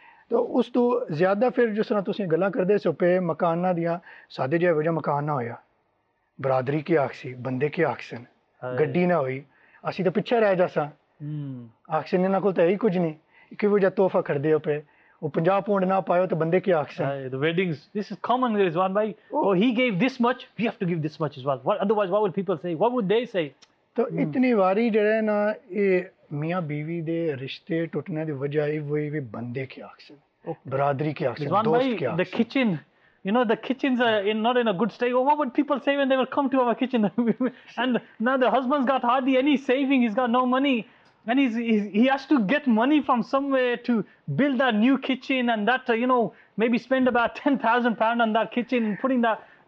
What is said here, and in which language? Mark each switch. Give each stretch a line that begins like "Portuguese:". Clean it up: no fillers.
Punjabi: ਤਾਂ ਉਸ ਤੋਂ ਜ਼ਿਆਦਾ ਫਿਰ ਜਿਸ ਤਰ੍ਹਾਂ ਤੁਸੀਂ ਗੱਲਾਂ ਕਰਦੇ ਸੋ ਪਏ ਮਕਾਨਾਂ ਦੀਆਂ, ਸਾਡੇ ਜਿਹਾ ਇਹੋ ਜਿਹਾ ਮਕਾਨ ਨਾ ਹੋਇਆ, ਬਰਾਦਰੀ ਕੀ ਆਖ ਸੀ, ਬੰਦੇ ਕੀ ਆਖ ਸਨ, ਗੱਡੀ ਨਾ ਹੋਈ, ਅਸੀਂ ਤਾਂ ਪਿੱਛੇ ਰਹਿ ਜਾ ਸਾਂ, ਆਖਸਨ ਇਹਨਾਂ ਕੋਲ ਤਾਂ ਇਹੀ ਕੁਝ ਨਹੀਂ, ਕਿਹੋ ਜਿਹਾ ਤੋਹਫਾ ਖੜਦੇ ਹੋ ਪਏ, ਉਹ 50 ਪੌਂਡ ਨਾ ਪਾਇਓ ਤਾਂ ਬੰਦੇ ਕੀ ਆਖ ਸਨ।
English: The weddings, this is common, Rizwan bhai, oh he gave this much, we have to give this much as well, what, otherwise what will people say, what would they say?
Punjabi: ਤਾਂ ਇਤਨੀ ਵਾਰੀ ਜਿਹੜੇ ਨਾ ਇਹ ਮੀਆਂ ਬੀਵੀ ਦੇ ਰਿਸ਼ਤੇ ਟੁੱਟਣ ਦੀ ਵਜ੍ਹਾ ਇਹ ਹੋਈ ਵੀ ਬੰਦੇ ਕੀ ਆਖ ਸਨ, ਬਰਾਦਰੀ ਕੀ ਆਖ ਸਨ, ਦੋਸਤ ਕੀ ਆਖ ਸਨ।
English: You know, the kitchens are not in a good state. Well, what would people say when they will come to our kitchen? And now the husband's got hardly any saving. He's got no money. And he has to get money from somewhere to build that new kitchen. And that, you know, maybe spend about £10,000 on that kitchen, putting that...